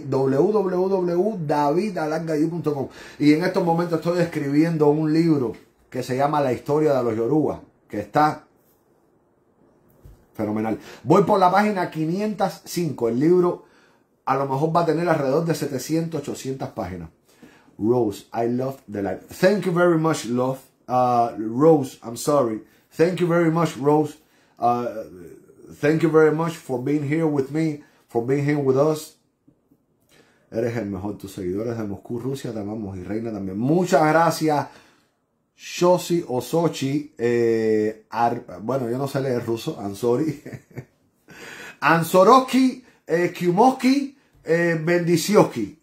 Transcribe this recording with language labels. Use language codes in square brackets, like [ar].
[es] www.davidalargayu.com. Y en estos momentos estoy escribiendo un libro que se llama La Historia de los Yorubas, que está fenomenal. Voy por la página 505. El libro a lo mejor va a tener alrededor de 700, 800 páginas. [en] Rose, I love the life. Thank you very much, love. Rose, I'm sorry. Thank you very much, Rose. Thank you very much for being here with me, for being here with us. [es] Eres el mejor. Tus seguidores de Moscú, Rusia, te amamos y reina también. Muchas gracias, Shoshi Osochi. Yo no sé leer ruso. [en] I'm sorry. [es] Ansoroski, Kiumoski, Bendisioski.